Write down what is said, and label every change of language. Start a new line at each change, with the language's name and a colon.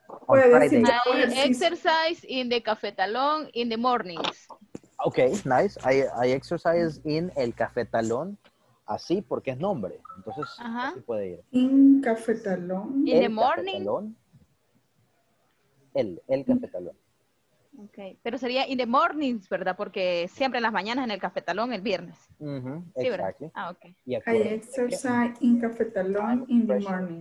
English: I exercise in the cafetalón in the mornings. Okay, nice. I exercise in
Spanish: el cafetalón, así porque es nombre. Entonces, así puede ir.
English: In cafetalón. In el the morning. Cafetalón.
Spanish: El cafetalón. Okay, pero sería
English: in the mornings,
Spanish: ¿verdad? Porque siempre en las mañanas en el cafetalón el viernes. Mm-hmm. Sí, exactly. ¿Verdad? Ah, okay. Y acuérdate,
English: I exercise in cafetalón in the morning.